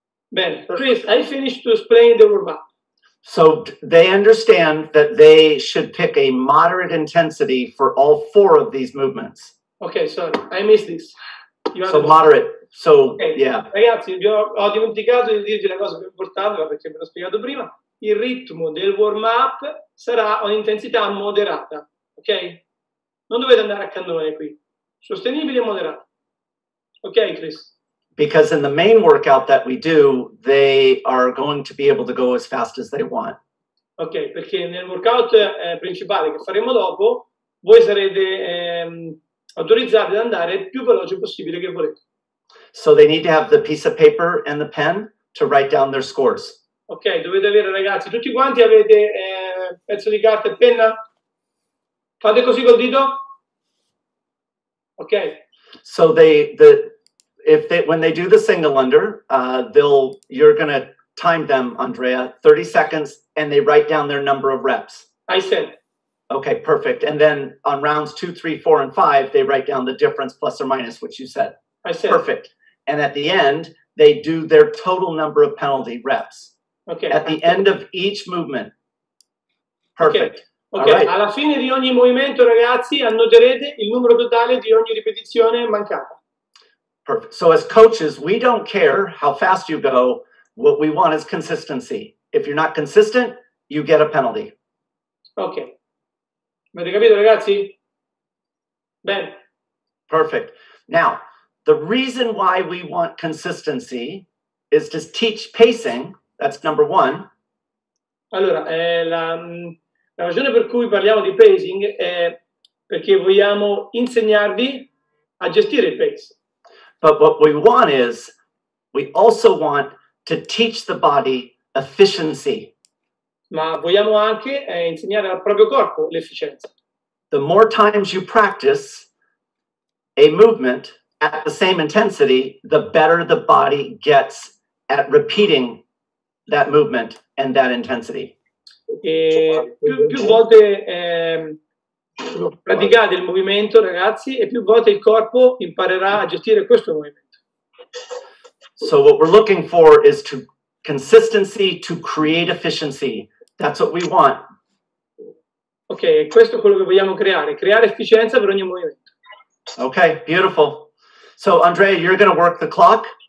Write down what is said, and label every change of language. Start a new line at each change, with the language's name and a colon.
English: Ben, Chris, I finished to explain the warm-up. So they understand that they should pick a moderate intensity for all four of these movements. Okay, sorry, I missed this. So moderate. So okay. Yeah.
Italian: Ragazzi, vi ho dimenticato di dirvi la cosa più importante, perché ve l'ho spiegato prima. Il ritmo del warm up sarà un'intensità moderata. Ok? Non dovete andare a cannone qui. Sostenibile e moderato. Ok, Chris.
English: Because in the main workout that we do, they are going to be able to go as fast as they want.
Italian: Ok, perché nel workout principale che faremo dopo, voi sarete autorizzati ad andare più veloce possibile che volete.
English: So they need to have the piece of paper and the pen to write down their scores.
Italian: Ok, dovete avere, ragazzi, tutti quanti avete pezzo di carta e penna? Fate così col dito? Ok.
English: So when they do the single under, you're going to time them, Andrea, 30 seconds, and they write down their number of reps. I said. Okay, perfect. And then on rounds 2, 3, 4, and 5, they write down the difference plus or minus, which you said. I said. Perfect. And at the end, they do their total number of penalty reps. Okay. At the end of each movement. Perfect. Okay. Right.
Italian: Alla fine di ogni movimento, ragazzi, annoterete il numero totale di ogni ripetizione mancata.
English: Perfect. So as coaches, we don't care how fast you go. What we want is consistency. If you're not consistent, you get a penalty.
Italian: Okay. Avete capito, ragazzi? Bene.
English: Perfect. Now, the reason why we want consistency is to teach pacing. That's number one.
Italian: Allora, la ragione per cui parliamo di pacing è perché vogliamo insegnarvi a gestire il pace.
English: But what we want is, we also want to teach the body efficiency.
Italian: Ma vogliamo anche insegnare al proprio corpo l'efficienza.
English: The more times you practice a movement at the same intensity, the better the body gets at repeating that movement and that intensity.
Italian: E più volte praticate il movimento, ragazzi, e più volte il corpo imparerà a gestire questo movimento.
English: So what we're looking for is to consistency to create efficiency. That's what we want.
Italian: Ok, questo è quello che vogliamo creare. Creare efficienza per ogni movimento.
English: Ok, beautiful. So, Andrea, you're going to work the clock?